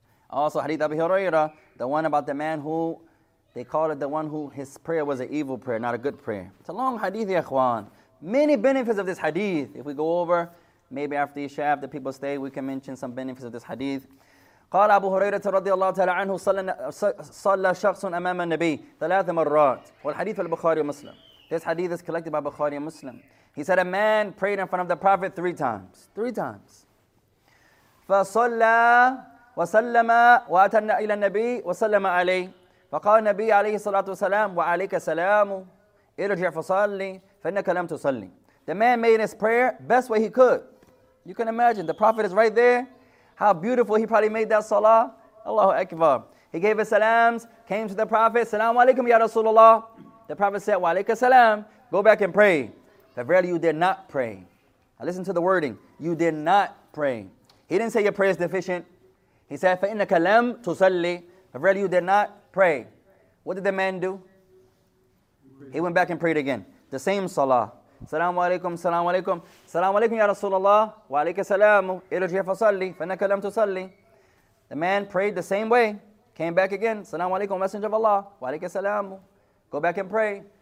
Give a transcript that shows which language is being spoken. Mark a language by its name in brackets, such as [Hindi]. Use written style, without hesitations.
[English] Also, Hadith Abi Hurairah, the one about the man who, they call it the one who, his prayer was an evil prayer, not a good prayer. It's a long hadith, ya Quran. Many benefits of this hadith. If we go over, maybe after Isha, after people stay, we can mention some benefits of this hadith. [Arabic] قال أبو هريرة رضي الله تعالى عنه صلى شخص أمام النبي ثلاث مرات. والحديث البخاري ومسلم. [English] This hadith is collected by Bukhari and Muslim. He said a man prayed in front of the Prophet three times. Three times. [Arabic] فصلى وسلم وأتى إلى النبي وسلم عليه. فقال النبي عليه الصلاة والسلام وعليك السلام ارجع فصلي. فَإِنَّكَ لَمْ تُصَلِّي. [English] The man made his prayer best way he could. You can imagine, the Prophet is right there. How beautiful he probably made that salah. Allahu Akbar. He gave his salams, came to the Prophet. Salaamu alaykum ya Rasulullah. The Prophet said, [Arabic] wa alayka salam. [English] Go back and pray. But verily you did not pray. Now listen to the wording. You did not pray. He didn't say your prayer is deficient. He said, [Arabic] فَإِنَّكَ لَمْ تُصَلِّي. [English] But verily you did not pray. What did the man do? He went back and prayed again. The same salah. Salaamu alaykum, salaamu alaykum. Salaamu alaykum ya Rasulullah. [Arabic] Wa alayka salamu. Irji'a fa salli. Fa innaka lam tusalli. [English] The man prayed the same way. Came back again. Salaamu alaykum, Messenger of Allah. [Arabic] Wa alayka salamu. [English] Go back and pray.